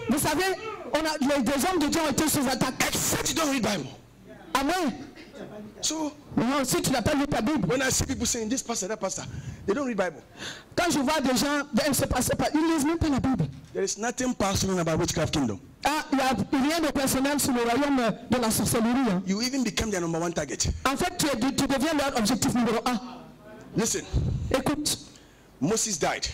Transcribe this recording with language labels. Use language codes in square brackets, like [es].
[fr] Vous savez, on a, des hommes de Dieu ont été sous attaque. [en] Except you don't read Bible. Amen. So, [fr] non, si tu n'as pas lu ta Bible. [en] When I see people saying this pastor, that pastor, they don't read Bible. [fr] Quand je vois des gens, ils ne passent pas, ils lisent même pas la Bible. [en] There is nothing personal about witchcraft kingdom. [fr] Ah, il n'y a rien de personnel sur le royaume de la sorcellerie. Hein. [en] You even become their number one target. [fr] En fait, tu deviens leur objectif numéro un. [en] Listen. [fr] Écoute. [en] Moses died.